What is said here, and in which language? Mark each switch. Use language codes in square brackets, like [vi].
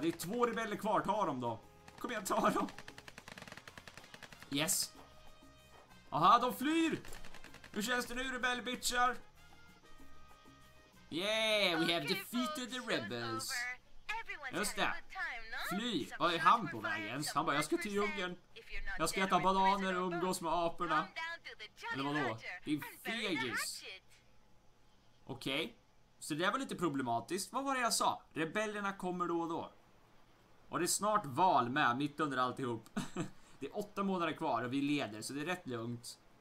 [sv] Det är 2 rebeller kvar, ta dem då. Kom igen, ta dem. Yes. Aha, de flyr! Hur känns det nu, rebellbitchar? [en] Yeah, we have defeated the rebels. [sv] Just det. Fly. Vad är han på väg ens? Han bara, jag ska till djungeln. Jag ska äta bananer och umgås med aporna. Eller vadå? Din fegis. Okej. Okay. Så det var lite problematiskt. Vad var det jag sa? Rebellerna kommer då och då. Och det är snart val med, mitt under alltihop. Det är 8 månader kvar och vi leder, så det är rätt lugnt.